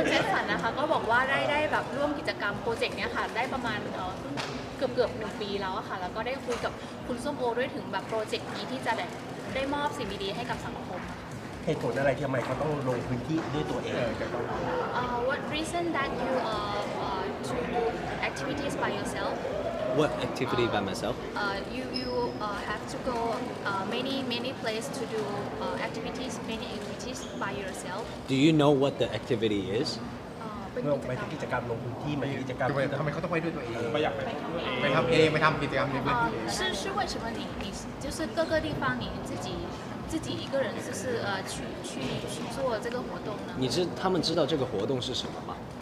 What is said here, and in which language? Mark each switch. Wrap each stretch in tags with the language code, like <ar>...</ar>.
<th>ณแจ็คสันนะคะก็บอกว่าได้แบบร่วมกิจกรรมโปรเจกต์เนี้ยค่ะได้ประมาณเกือบ1ปีแล้วค่ะแล้วก็ได้คุยกับคุณส้มโอด้วยถึงแบบโปรเจกต์นี้ที่จะได้มอบสิ่งดีๆให้กับสังคม เหตุผลอะไรที่ทำไมเขาต้องลงพื้นที่ด้วยตัวเอง</th> <en>What reason that you to do activities by yourself? What activity by myself? You have to go many places to do activities by yourself. Do you know what the activity is?</en> <th>ไปทำกิจกรรมลงพื้นที่ไหมกิจกรรม ทำไมเขาต้องไปด้วยตัวเอง ไปอยาก ไปทำเองไปทำกิจกรรมในพื้นที่</th> <zh>是为什么你就是各个地方你自己一个人就是去做这个活动呢？他们知道这个活动是什么吗？</zh>